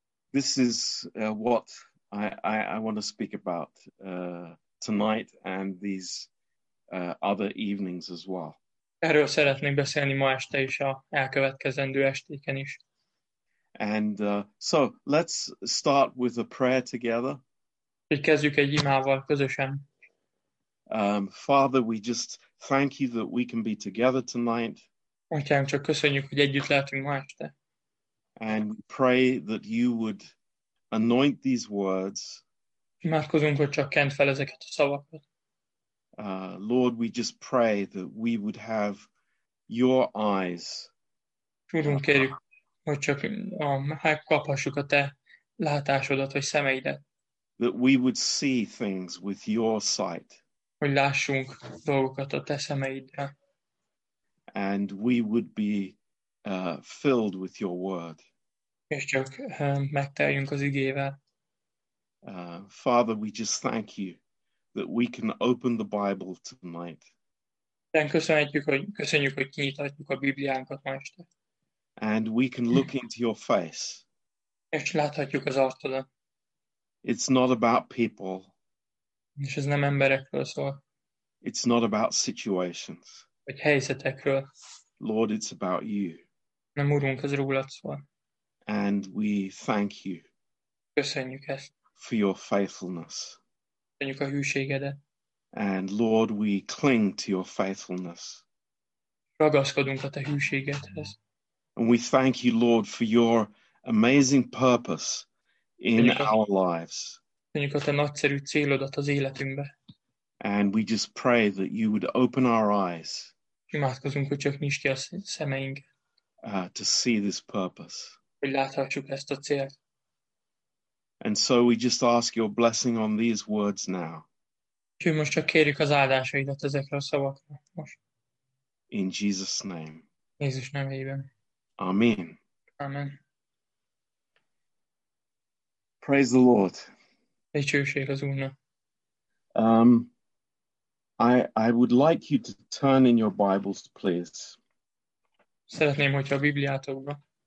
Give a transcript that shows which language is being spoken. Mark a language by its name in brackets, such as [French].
[English] This is what I want to speak about tonight and these other evenings as well. [Hungarian] Erről szeretnék beszélni ma este is, a elkövetkezendő estéken is. [English] And so let's start with a prayer together. [Hungarian] Hogy kezdjük egy imával közösen. [English] Father, we just thank you that we can be together tonight. [Hungarian] Atyám, csak köszönjük, hogy együtt lehetünk ma este. [English] And we pray that you would anoint these words. [Hungarian] Imádkozunk, hogy csak kent fel ezeket a szavakat. [English] Lord, we just pray that we would have your eyes. [Hungarian] Úrunk, kérjük, hogy csak megkaphassuk a te látásodat, vagy szemeidet. [English] That we would see things with your sight. [Hungarian] Hogy lássunk dolgokat a te szemeiddel. [English] And we would be filled with your word. [Hungarian] És csak megteljünk az igével. [English] Father, we just thank you that we can open the Bible tonight. [Hungarian] Köszönjük, hogy kinyithatjuk a Bibliánkat ma este. [English] And we can look into your face. [Hungarian] És láthatjuk az arcodat. [English] It's not about people. [Hungarian] És ez nem emberekről szól. [English] It's not about situations. [Hungarian] Vagy helyzetekről. [English] Lord, it's about you. [Hungarian] Nem, Úrunk, ez rólad szól. [English] And we thank you. [Hungarian] Köszönjük ezt. [English] For your faithfulness. [Hungarian] Köszönjük a hűségedet. [English] And Lord, we cling to your faithfulness. [Hungarian] Ragaszkodunk a te hűségedhez. [English] And we thank you, Lord, for your amazing purpose in our lives. [Hungarian] Köszönjük a te nagyszerű célodat az életünkbe. [English] And we just pray that you would open our eyes. [Hungarian] Imádkozunk, hogy csak nyisd ki a szemeink. [English] To see this purpose. [Hungarian] Hogy láthassuk ezt a célt. [English] And so we just ask your blessing on these words now. [Hungarian] Úgyhogy most csak kérjük az áldásaidat ezekre a szavakra most. [English] In Jesus' name. [Hungarian] Jézus nevében. [English] Amen. [Hungarian] Amen. [English] Praise the Lord. [Hungarian] Dicsőség az Úrnak. [English] I would like you to turn in your Bibles, please. [Hungarian] Szeretném, hogyha a Bibliátokba.